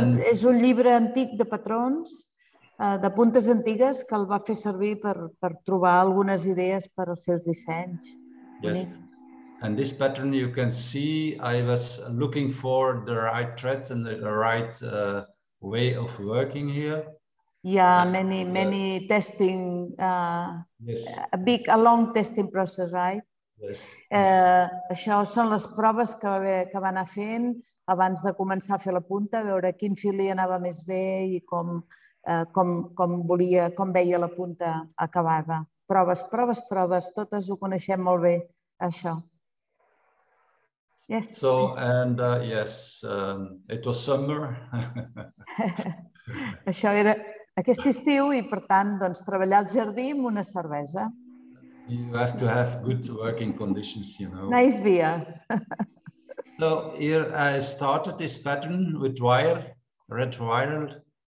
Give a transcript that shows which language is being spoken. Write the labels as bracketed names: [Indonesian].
[Catalan] És un llibre antic de patrons, de puntes antigues que el va fer servir per trobar algunes idees per als seus dissenys. [English] Yes. And this pattern, you can see, I was looking for the right thread and the right way of working here. Yeah, many testing, yes. a long testing process, right? Yes. [Catalan] Això són les proves que va anar fent abans de començar a fer la punta, a veure quin fil li anava més bé I com veia la punta acabada. Proves, totes ho coneixem molt bé, això. [English] Yes. So, and yes, it was summer. [Catalan] Això era aquest estiu I, per tant, doncs, treballar al jardí amb una cervesa. [English] You have to have good working conditions, you know. Nice beer. So, here I started this pattern with wire, red wire.